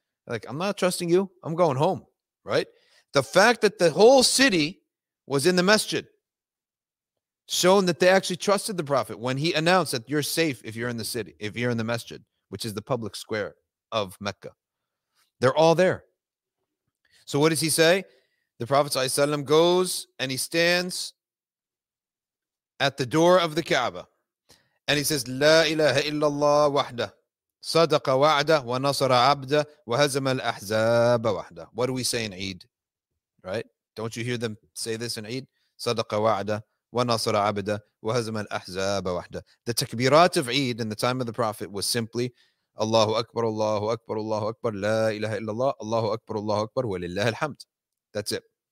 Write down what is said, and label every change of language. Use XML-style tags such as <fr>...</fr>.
<en>They're like, I'm not trusting you. I'm going home, right? The fact that the whole city was in the masjid shown that they actually trusted the Prophet when he announced that you're safe if you're in the city, if you're in the masjid, which is the public square of Mecca. They're all there. So what does he say? The Prophet ﷺ goes and he stands at the door of the Kaaba. And he says,</en> <ar>لا إله إلا الله وحده صدق وعده ونصر عبده وهزم الأحزاب وحده.</ar> <en>What do we say in Eid? Right? Don't you hear them say this in Eid?</en> <ar>صدق وعده ونصر عبده وهزم الأحزاب وحده.</ar> <en>The takbirat of Eid in the time of the Prophet was simply Allahu Akbar, Allahu Akbar, Allahu Akbar,</en> <ar>لا إله إلا الله,</ar> <en>Allahu Akbar, Allahu Akbar,</en> <ar>ولله الحمد.</ar> <en>That's it.</en>